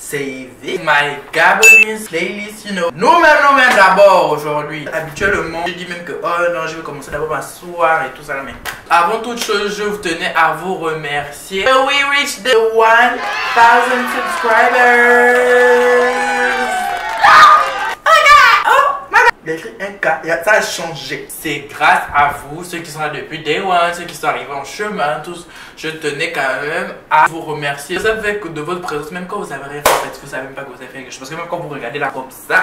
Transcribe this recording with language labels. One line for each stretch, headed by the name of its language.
English: C'est my Gabonese playlist, you know.
French: Nous-mêmes d'abord aujourd'hui. Habituellement, je dis même que oh non, je vais commencer d'abord ma soirée et tout ça. Mais avant toute chose, je vous tenais à vous remercier.
English: We reach the 1000 subscribers.
French: Ça a changé. C'est grâce à vous, ceux qui sont là depuis day one, ceux qui sont arrivés en chemin, tous. Je tenais quand même à vous remercier. Vous savez que de votre présence, même quand vous avez rien fait, vous savez même pas que vous avez fait quelque chose. Parce que même quand vous regardez là comme ça.